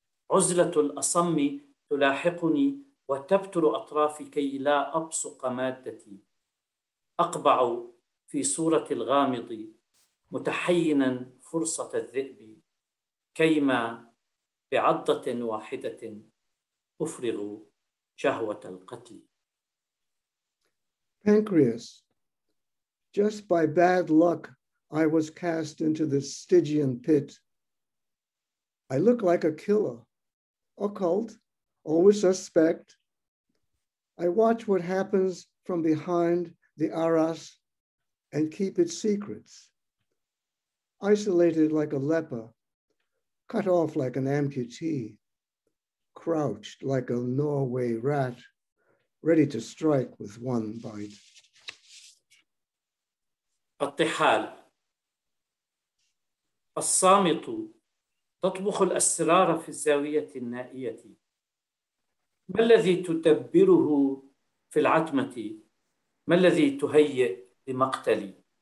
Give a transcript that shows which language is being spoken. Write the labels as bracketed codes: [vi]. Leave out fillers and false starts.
[ar] عزلة الأصم تلاحقني وتبتر أطرافي كي لا أبصق مادتي أقبع في صورة الغامض متحيناً فرصة الذئب كيما بعضة واحدة أفرغ شهوة القتل. [en] Pancreas. Just by bad luck, I was cast into this Stygian pit. I look like a killer, occult, always suspect. I watch what happens from behind the arras and keep its secrets. Isolated like a leper, cut off like an amputee, crouched like a Norway rat, ready to strike with one bite. [ar] الطحال الصامت تطبخ الأسرار في الزاوية النائية ما الذي تدبره في العتمة ما الذي تهيئ لمقتلي